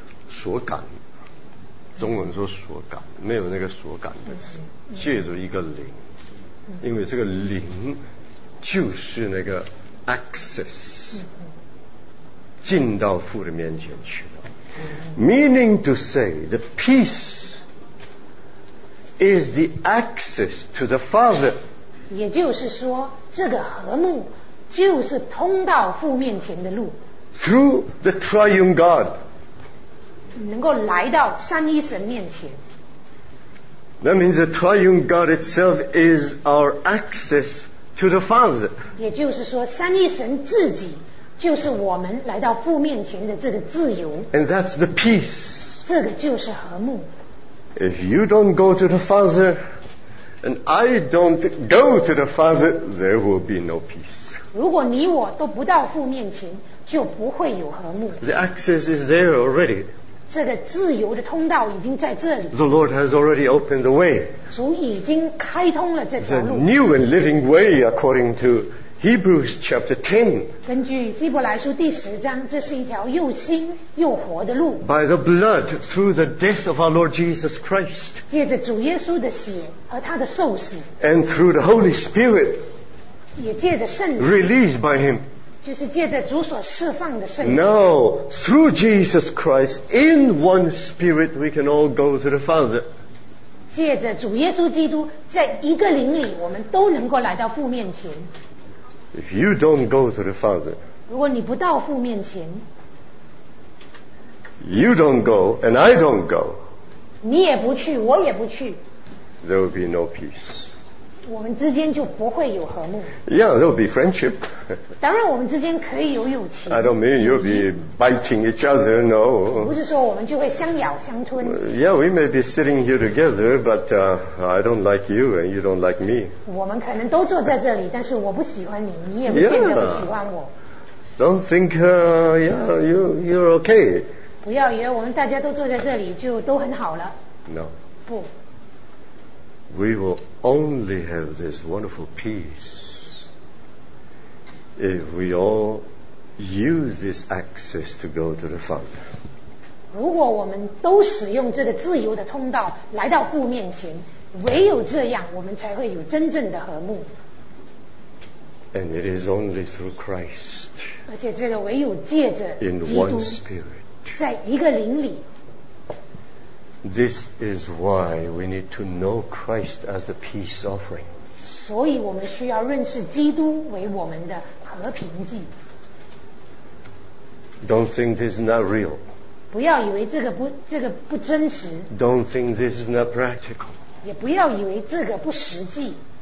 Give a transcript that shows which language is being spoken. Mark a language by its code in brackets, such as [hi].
[zh] 所感，中文说所感，没有那个所感的词，借着一个灵，因为这个灵就是那个 access 进到父的面前去了。 [en] Meaning to say, the peace is the access to the Father. [zh] 也就是说，这个和睦就是通到父面前的路。 [en] Through the Triune God. [zh] 能够来到三一神面前。 [en] That means the Triune God itself is our access to the Father. [zh] 也就是说，三一神自己就是我们来到父面前的这个自由。 [en] And that's the peace. [zh] 这个就是和睦。 [en] If you don't go to the Father, and I don't go to the Father, there will be no peace. [zh] 如果你我都不到父面前，就不会有和睦。 [en] The access is there already. [zh] 这个自由的通道已经在这里。 [en] The Lord has already opened the way. [zh] 主已经开通了这条路。 [en] The new and living way according to Hebrews chapter 10. [zh] 根据希伯来书第十章，这是一条又新又活的路。 [en] By the blood, through the death of our Lord Jesus Christ. [zh] 借着主耶稣的血和他的受死。 [en] And through the Holy Spirit. [zh] 也借着圣灵。 [en] Released by him. [zh] 就是借着主所释放的圣灵。 [en] Now, through Jesus Christ, in one spirit, we can all go to the Father. [zh] 借着主耶稣基督，在一个灵里，我们都能够来到父面前。 [en] If you don't go to the Father, [zh] 如果你不到父面前， [en] you don't go and I don't go, [zh] 你也不去，我也不去， [en] there will be no peace. [zh] 我们之间就不会有和睦。 [en] Yeah, there will be friendship. [zh] 当然我们之间可以有友情。 [en] I don't mean you'll be biting each other, no. [zh] 不是说我们就会相咬相吞。 [en] Yeah, we may be sitting here together, but I don't like you and you don't like me. [zh] 我们可能都坐在这里，但是我不喜欢你，你也不见得不喜欢我。 [en] Don't think, you're okay. [zh] 不要以为我们大家都坐在这里就都很好了。 [en] No. [zh] 不。 [en] We will only have this wonderful peace if we all use this access to go to the Father. [zh] 如果我们都使用这个自由的通道来到父面前，唯有这样我们才会有真正的和睦。 [en] And it is only through Christ. [zh] 而且这个唯有借着基督。 [en] In one spirit. [zh] 在一个灵里。 [en] This is why we need to know Christ as the peace offering. [zh] 所以我们需要认识基督为我们的和平祭。 [en] Don't think this is not real. [zh] 不要以为这个不真实。 [en] Don't think this is not practical. [zh] 也不要以为这个不实际。